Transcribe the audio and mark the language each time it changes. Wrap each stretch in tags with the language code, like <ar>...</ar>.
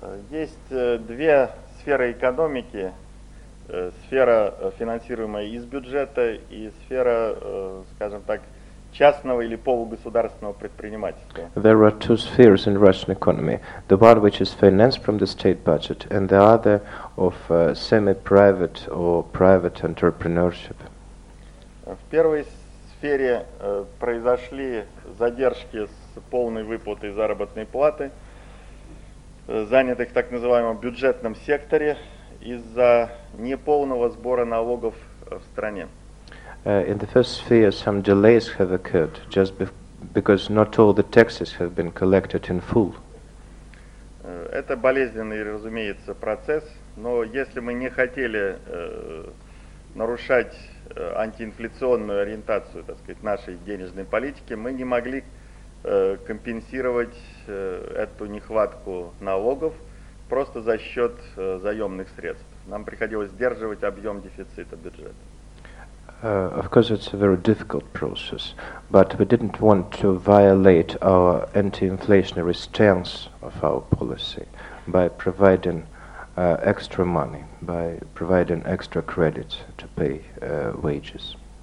<ru>Есть две сферы экономики, сфера, финансируемая из бюджета, и сфера, скажем так, частного или полугосударственного предпринимательства.</ru> <en>There are two spheres in Russian economy. The one which is financed from the state budget, and the other of semi-private or private entrepreneurship.</en> <ru>В первой сфере произошли задержки с полной выплатой заработной платы, занятых в так называемом бюджетном секторе, из-за неполного сбора налогов в стране.</ru> <en>In the first sphere, some delays have occurred just because not all the taxes have been collected in full.</en> <ru>Это болезненный, разумеется, процесс, но если мы не хотели нарушать антиинфляционную ориентацию, так сказать, нашей денежной политики, мы не могли компенсировать эту нехватку налогов просто за счет заемных средств. Нам приходилось сдерживать объем дефицита бюджета.</ru> <en>Of course, it's a very difficult process, but we didn't want to violate our anti-inflationary stance of our policy by providing extra money, by providing extra credit to pay wages.</en>